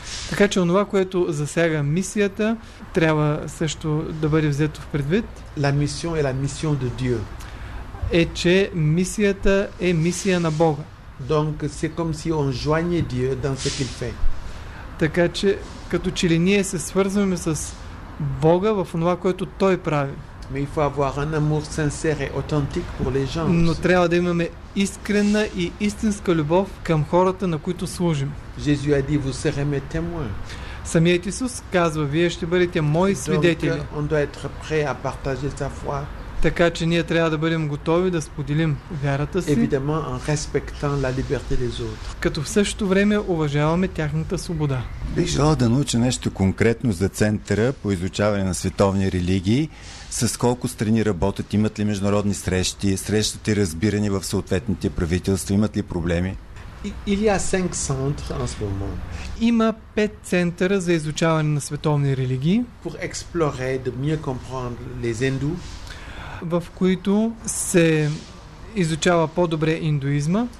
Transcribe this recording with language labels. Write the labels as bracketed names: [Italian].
[Bulgarian] Така че онова, което засяга мисията, трябва също да бъде взето в предвид. [French] La mission est la mission de Dieu. [Bulgarian] Е, че мисията е мисия на Бога. [French] Donc c'est comme si on joignait Dieu dans ce qu'il fait. [Bulgarian] Така че като че ли ние се свързваме с Бога в това, което той прави. [French] Mais il faut avoir un amour sincère et authentique pour les gens. [Bulgarian] Но трябва да имаме искрена и истинска любов към хората, на които служим. [French] Jésus a dit vous serez mes témoins. [Bulgarian] Самият Исус казва, вие ще бъдете мои свидетели. [French] Donc on doit être prêt à partager sa foi. [Bulgarian] Така че ние трябва да бъдем готови да споделим вярата си. [French] Évidemment, en respectant la liberté des autres. [Bulgarian] Като в същото време уважаваме тяхната свобода. Бих желал да науча нещо конкретно за центъра по изучаване на световни религии. С колко страни работят, имат ли международни срещи, срещат ли разбиране в съответните правителства, имат ли проблеми? [French] Il y a 5 centres en ce moment. [Bulgarian] Има 5 центъра за изучаване на световни религии. [French] Pour explorer, de mieux comprendre les hindous. [Bulgarian] В които се изучава по-добре индуизма,